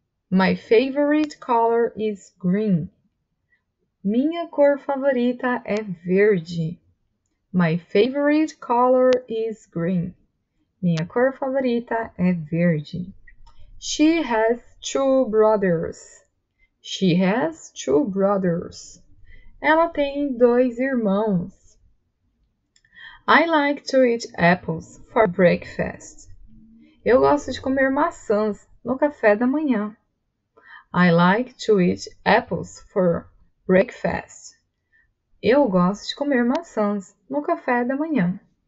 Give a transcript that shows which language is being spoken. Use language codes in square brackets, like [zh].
[en] My favorite color is green. [pt] Minha cor favorita é verde. [en] My favorite color is green. [pt] Minha cor favorita é verde. [en] She has two brothers. She has two brothers. [pt] Ela tem dois irmãos. [en] I like to eat apples for breakfast. [pt] Eu gosto de comer maçãs no café da manhã. [en] I like to eat apples for breakfast. [pt] Eu gosto de comer maçãs no café da manhã.